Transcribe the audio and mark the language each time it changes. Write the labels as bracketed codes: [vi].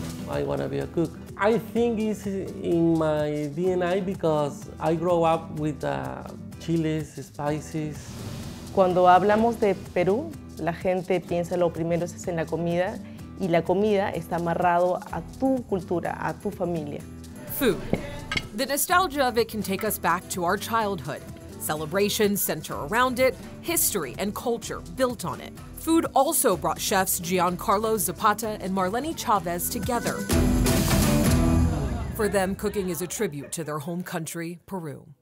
[en] I want to be a cook. I think it's in my DNA because I grow up with chiles, spices. [es] Cuando hablamos de Perú, la gente piensa lo primero es en la comida, y la comida está amarrado a tu cultura, a tu familia. [en] Food. The nostalgia of it can take us back to our childhood. Celebrations center around it, history and culture built on it. Food also brought chefs Giancarlo Zapata and Marlene Chavez together. For them, cooking is a tribute to their home country, Peru.